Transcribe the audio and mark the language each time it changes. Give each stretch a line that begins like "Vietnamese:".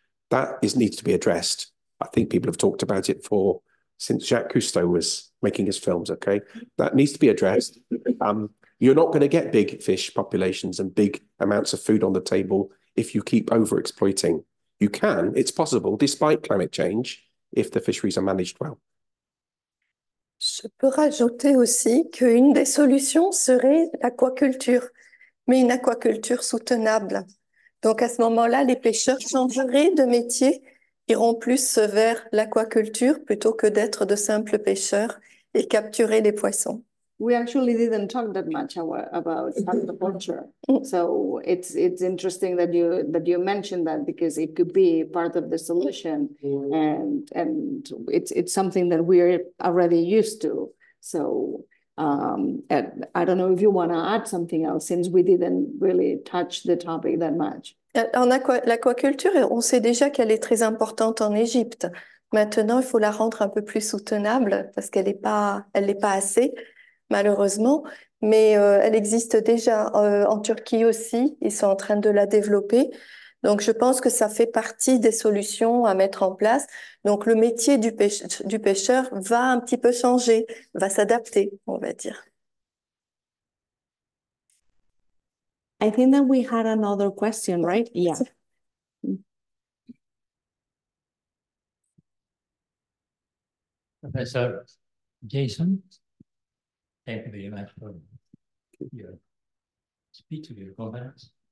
English: That needs to be addressed. I think people have talked about it since Jacques Cousteau was making his films, okay? That needs to be addressed. You're not going to get big fish populations and big amounts of food on the table if you keep overexploiting. You can, it's possible, despite climate change, if the fisheries are managed well.
French: Je peux rajouter aussi qu'une des solutions serait l'aquaculture, mais une aquaculture soutenable. Donc, à ce moment-là, les pêcheurs changeraient de métier, iront plus vers l'aquaculture plutôt que d'être de simples pêcheurs et capturer des poissons.
English: We actually didn't talk that much about aquaculture. So it's interesting that you mentioned that, because it could be part of the solution. And it's something that we're already used to. So and I don't know if you want to add something else, since we didn't really touch the topic that much.
French: En l'aquaculture, on sait déjà qu'elle est très importante en Égypte. Maintenant, il faut la rendre un peu plus soutenable parce qu'elle n'est pas, assez, malheureusement. Mais elle existe déjà en Turquie aussi. Ils sont en train de la développer. Donc, je pense que ça fait partie des solutions à mettre en place. Donc, le métier du pêcheur va un petit peu changer, va s'adapter, on va dire.
English: I think that we had another question, right? Yeah. Professor Jason, thank you very much for your speech, your comments.